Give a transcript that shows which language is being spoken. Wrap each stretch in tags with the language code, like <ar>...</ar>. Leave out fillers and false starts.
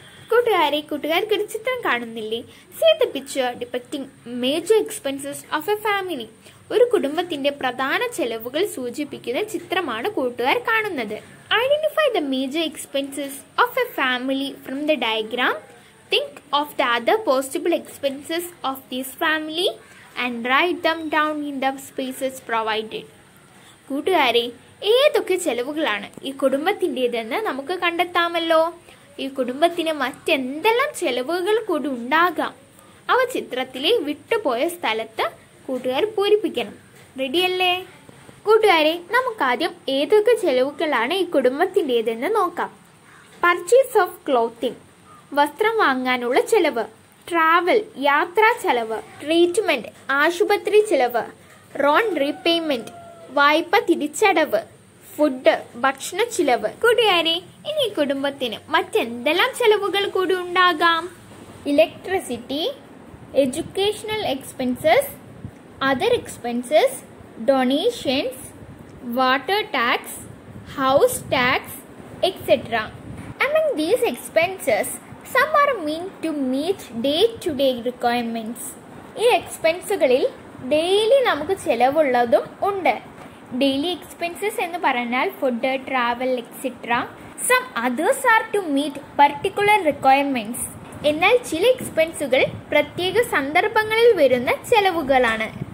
<ml>കൂട്ടുകാരെ, കൂട്ടുകാർക്ക് ഒരു ചിത്രം കാണുന്നില്ലേ?</ml> <en>See the picture depicting major expenses of a family.</en> <ml>ഒരു കുടുംബത്തിന്റെ പ്രധാന ചെലവുകൾ സൂചിപ്പിക്കുന്ന ചിത്രമാണ് കൂട്ടുകാർ കാണുന്നത്.</ml> <en>Identify the major expenses of a family from the diagram. Think of the other possible expenses of this family and write them down in the spaces provided.</en> <ml>കൂട്ടുകാരെ, ഏതൊക്കെ ചെലവുകളാണ് ഈ കുടുംബത്തിൻ്റെതെന്ന് നമുക്ക് കണ്ടെത്താമല്ലോ. ഈ കുടുംബത്തിന് മറ്റെന്തെല്ലാം ചെലവുകൾ കൂടി ഉണ്ടാകാം അവ ചിത്രത്തിലെ വിട്ടുപോയ സ്ഥലത്ത് കൂട്ടുകാർ പൂരിപ്പിക്കണം. റെഡിയല്ലേ? കൂട്ടുകാരെ, നമുക്ക് ആദ്യം ഏതൊക്കെ ചെലവുകളാണ് ഈ കുടുംബത്തിൻ്റെതെന്ന് നോക്കാം.</ml> <en>purchase of clothing,</en> <ml>വസ്ത്രം വാങ്ങാനുള്ള ചെലവ്. ട്രാവൽ, യാത്രാ ചെലവ്. ട്രീറ്റ്മെൻറ്റ്, ആശുപത്രി ചെലവ്. റോൺ റീപേയ്മെൻറ്റ്, വായ്പ തിരിച്ചടവ്. ഫുഡ്, ഭക്ഷണ ചിലവ്. കൂട്ടുകാരെ, ഇനി കുടുംബത്തിന് മറ്റെന്തെല്ലാം ചെലവുകൾ കൂടി ഉണ്ടാകാം?</ml> <en>Electricity, educational expenses, other expenses, donations, water tax, house tax etcetera. Among these expenses, some are meant to meet day-to-day requirements.</en> <ml>ഈ എക്സ്പെൻസുകളിൽ ഡെയിലി നമുക്ക് ചെലവുള്ളതും ഉണ്ട്. ഡെയിലി എക്സ്പെൻസസ് എന്ന് പറഞ്ഞാൽ food, travel etcetera.</ml> <en>Some others are to meet particular requirements.</en> <ml>എന്നാൽ ചില എക്സ്പെൻസുകൾ പ്രത്യേക സന്ദർഭങ്ങളിൽ വരുന്ന ചെലവുകളാണ്.</ml>